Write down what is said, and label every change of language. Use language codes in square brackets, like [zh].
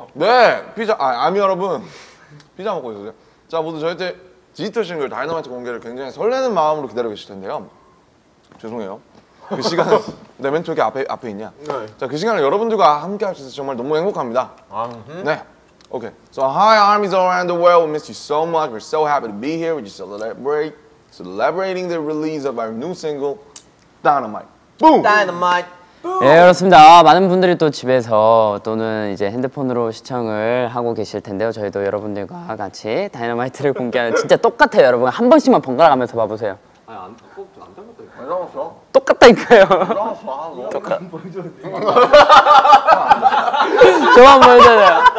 [ko] 네, 피자, 아미 여러분, 피자 먹고 계세요. 자, 모두 저희 때 디지털 싱글 다이너마이트 공개를 굉장히 설레는 마음으로 기다리고 계실 텐데요. 죄송해요. 그 시간은 내 멘트 왜 앞에 있냐? 네. 자, 그 시간을 여러분들과 함께 할 수 있어서 정말 너무 행복합니다. 아, 네. 오케이. [en] So hi, armies around the world. We miss you so much. We're so happy to be here with you celebrating the release of our new single, Dynamite. Boom! Dynamite. Boom! [ko] 네, 그렇습니다. 많은 분들이 또 집에서 또는 이제 핸드폰으로 시청을 하고 계실 텐데요. 저희도 여러분들과 같이 다이너마이트를 공개하는 진짜 똑같아요, 여러분. 한 번씩만 번갈아 가면서 봐보세요. 안 닮았어. 똑같다니까요. 저만 보여줘요.